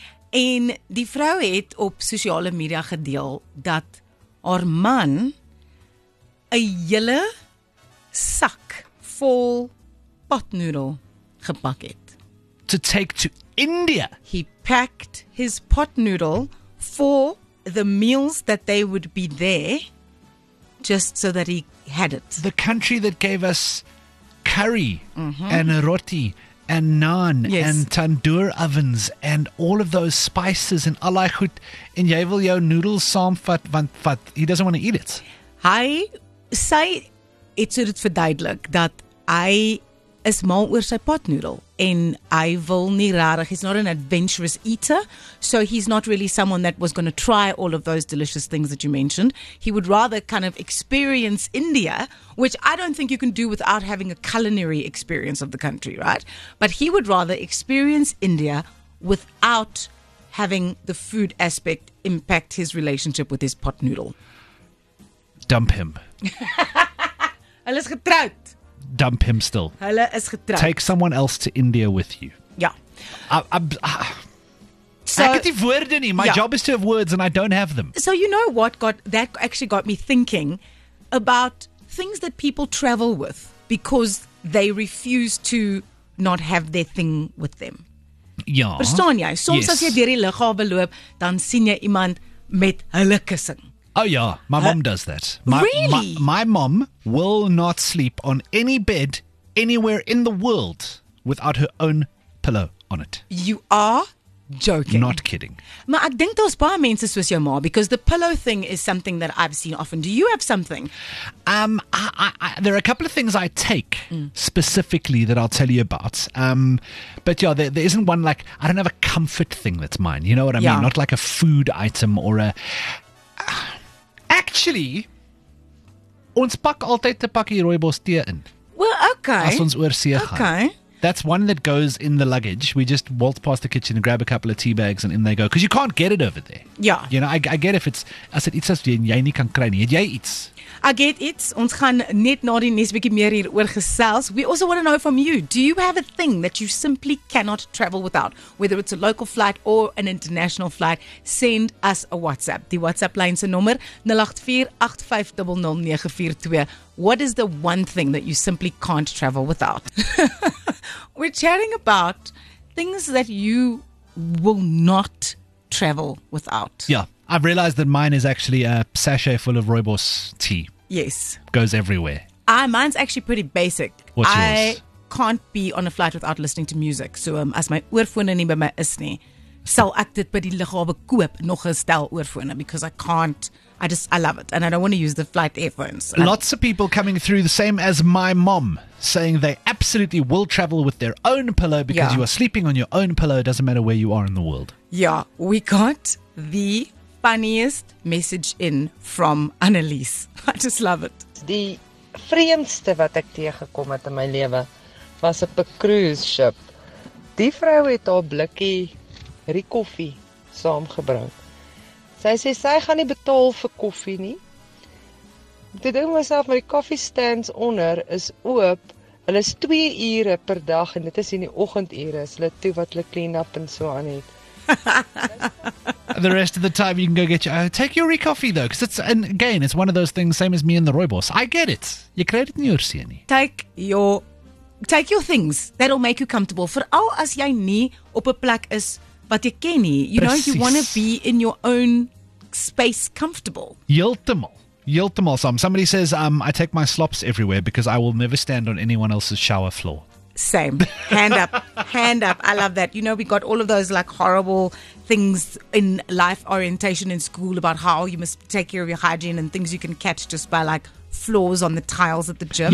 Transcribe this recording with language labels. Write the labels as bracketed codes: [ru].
[af] En die vrou het op sosiale media gedeel dat haar man 'n hele sak vol potnoedel gepak het. [en] To take to India. He packed his potnoedel for the meals that they would be there, just so that he had it. The country that gave us curry and roti and naan and tandoor ovens and all of those spices [af] and Allah goed en jy wil jou noodles saam vat, want vat, [en] he doesn't want to eat it. [af] Hy sê, het so dit verduidelik, dat hy is mal oor sy potnoedel. En hy wil nie rarig. [en] He's not an adventurous eater. So he's not really someone that was going to try all of those delicious things that you mentioned. He would rather kind of experience India, which I don't think you can do without having a culinary experience of the country, right? But he would rather experience India without having the food aspect impact his relationship with his potnoedel. Dump him. [af] Hulle is getroud. [en] Dump him still. [af] Hulle is getrouw. [en] Take someone else to India with you. [af] Ja. So, ek het die woorde nie. [en] My job is to have words and I don't have them. So you know what got that actually got me thinking about things that people travel with because they refuse to not have their thing with them. [af] Ja. Verstaan jy? Soms as jy deur die lughawe loop, dan sien jy iemand met hulle kussing. [en] Oh yeah, my mom does that. My mom will not sleep on any bed anywhere in the world without her own pillow on it. You are joking. Not kidding. [af] Maar ek dink daar's baie mense soos jou ma, [en] because the pillow thing is something that I've seen often. Do you have something? There are a couple of things I take specifically that I'll tell you about. But yeah, there isn't one, like, I don't have a comfort thing that's mine. You know what I mean? Not like a food item or a... Actually, [af] ons pak altyd 'n pakkie rooibos tee in. [en] Well, okay. [af] As ons oorsee gaan. [en] Okay. That's one that goes in the luggage. We just waltz past the kitchen and grab a couple of tea bags and in they go. Because you can't get it over there. Yeah. You know, I get if it's... I said, [af] iets as jy nie kan kry nie. Het jy iets? [en] I get it. [af] Ons gaan net na die nes bietjie meer hier oor gesels. [en] We also want to know from you. Do you have a thing that you simply cannot travel without? Whether it's a local flight or an international flight, send us a WhatsApp. [af] Die WhatsApp line se nommer 0848500942. [en] What is the one thing that you simply can't travel without? We're chatting about things that you will not travel without. Yeah. I've realized that mine is actually a sachet full of rooibos tea. Yes. Goes everywhere. Mine's actually pretty basic. What's yours? I can't be on a flight without listening to music. So [af] as my oorfone nie by my is nie, sal ek dit by die lughawe koop nog 'n stel oorfone, [en] because I can't. I love it. And I don't want to use the flight earphones. Lots of people coming through, the same as my mom, saying they absolutely will travel with their own pillow because you are sleeping on your own pillow. It doesn't matter where you are in the world. Yeah. We got the funniest message in from Annelies. I just love it. [af] Die vreemdste wat ek teëgekom het in my lewe was op 'n cruise ship. Die vrou het haar blikkie Rikoffie saamgebring. Sy sê sy gaan nie betaal vir koffie nie. Toe dink myself, maar die koffie stands onder is oop. Hulle is 2 ure per dag en dit is in die oggendure. Hulle toe wat hulle [en] clean up [af] en so aan het. [en] The rest of the time you can go get your take your coffee though, because it's, and again, it's one of those things, same as me and the rooibos. I get it. [af] You kry dit nie oorsee nie. [en] Take your things that'll make you comfortable. [af] Vooral as jy nie op 'n plek is wat jy ken nie. [en] You [af] Precies. [en] know, you want to be in your own space comfortable. [af] Heeltemal. [en] Somebody says, I take my slops everywhere because I will never stand on anyone else's shower floor. Same. Hand up. I love that. You know, we got all of those like horrible things in life orientation in school about how you must take care of your hygiene and things you can catch just by like flaws on the tiles at the gym.